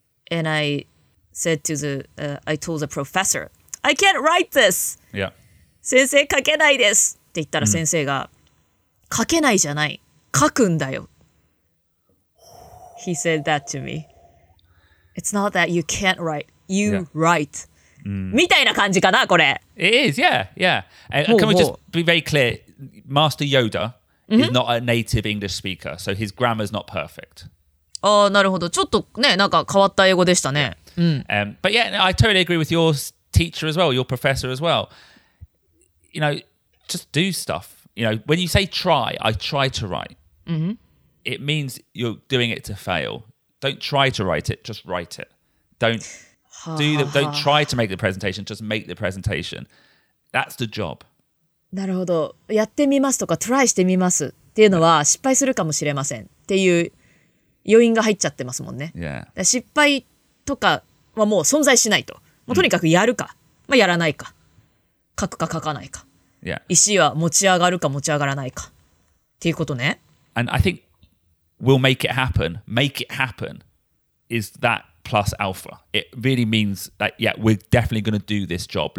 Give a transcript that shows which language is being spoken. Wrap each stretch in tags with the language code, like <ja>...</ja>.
<en>And I said to the,、I told the professor, I can't write this. Yeah.</en> <ja>先生書けないですって言ったら先生が、書けないじゃない、書くんだよ。</ja> <en>He said that to me. It's not that you can't write, you write.</en> <ja>みたいな感じかな、これ。</ja> <en>It is, yeah, yeah. Can we just be very clear? Master Yoda is not a native English speaker, so his grammar's not perfect.</en> <ja>ああ、なるほど。ちょっとね、なんか変わった英語でしたね。</ja> <en>But yeah, I totally agree with your teacher as well, your professor as well. You know, just do stuff. You know, when you say try, I try to write. It means you're doing it to fail. Don't try to write it, just write it. Don't try to make the presentation, just make the presentation. That's the job.</en> <ja>なるほど。やってみますとか、try してみますっていうのは失敗するかもしれませんっていう余韻が入っちゃってますもんね。</ja> <en>Yeah.</en> <ja>失敗とかはもう存在しないと。もうとにかくやるか、まあ、やらないか、書くか書かないか。</ja> <en>Yeah.</en> <ja>石は持ち上がるか持ち上がらないかっていうことね。</ja> <en>And I think we'll make it happen. Make it happen is that plus alpha. It really means that, yeah, we're definitely going to do this job.</en>